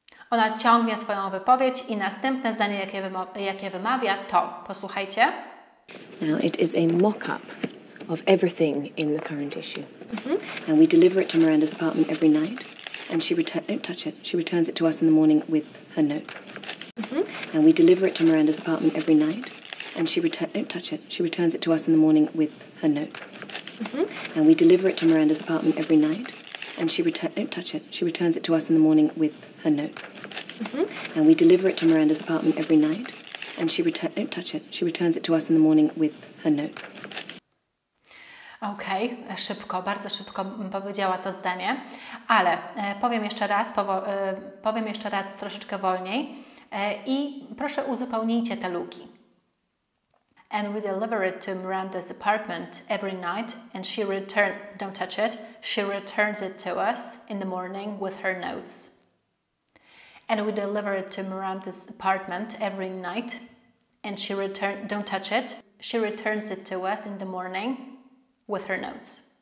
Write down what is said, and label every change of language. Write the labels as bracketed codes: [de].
[pl] Ona ciągnie swoją wypowiedź i następne zdanie, jakie wymawia, to posłuchajcie. [en] Now it is a mock-up of everything in the current issue. Mm-hmm. And we deliver it to Miranda's apartment every night. And she returns, don't touch it, she returns it to us in the morning with her notes. Mm-hmm. And we deliver it to Miranda's apartment every night. And she returns, don't touch it, she returns it to us in the morning with her notes. Mm-hmm. And we deliver it to Miranda's apartment every night. and she returns, don't touch it, she returns it to us in the morning with her notes. Mm-hmm. And we deliver it to Miranda's apartment every night, and she returns, don't touch it, she returns it to us in the morning with her notes. [pl] Okej, okay, szybko, bardzo szybko powiedziała to zdanie, ale powiem jeszcze raz, powiem jeszcze raz troszeczkę wolniej i proszę uzupełnijcie te luki. [en] And we deliver it to Miranda's apartment every night and she returns, don't touch it, she returns it to us in the morning with her notes. And we deliver it to Miranda's apartment every night and she returns, don't touch it, she returns it to us in the morning with her notes.